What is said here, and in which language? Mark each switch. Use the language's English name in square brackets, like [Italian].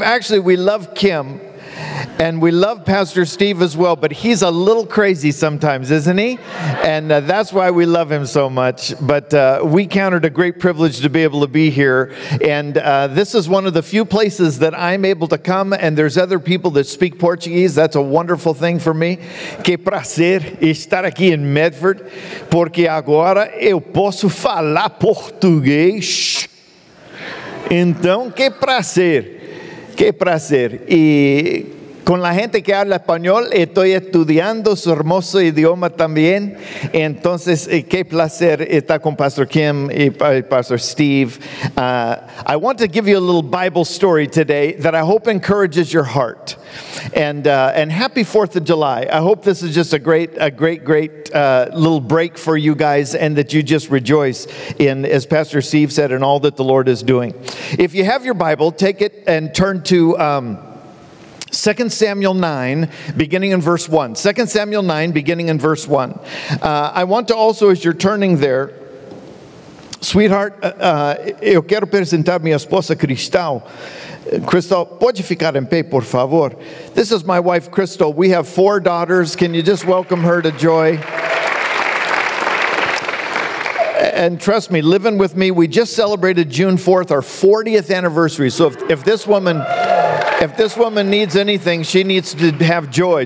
[English] Actually, we love Kim, and we love Pastor Steve as well, but he's a little crazy sometimes, isn't he? And that's why we love him so much. But we count it a great privilege to be able to be here. And this is one of the few places that I'm able to come, and there's other people that speak Portuguese. That's a wonderful thing for me. [Portuguese] Que prazer estar aqui em Medford, porque agora eu posso falar português. Então, que prazer, que prazer. E com a gente que habla espanhol, estou estudando seu [Spanish] hermoso idioma [Portuguese] também. Então, que prazer estar com Pastor Kim e Pastor Steve. [English] I want to give you a little Bible story today that I hope encourages your heart. And happy 4th of July. I hope this is just a great little break for you guys, and that you just rejoice in, as Pastor Steve said, in all that the Lord is doing. If you have your Bible, take it and turn to 2 Samuel 9, beginning in verse 1. 2 Samuel 9, beginning in verse 1. I want to also, as you're turning there, sweetheart, [Portuguese] eu quero presentar minha esposa Cristal. Crystal, pode ficar em pé, por favor. [English] This is my wife, Crystal. We have four daughters. Can you just welcome her to joy? And trust me, living with me, we just celebrated June 4th, our 40th anniversary. So if this woman needs anything, she needs to have joy.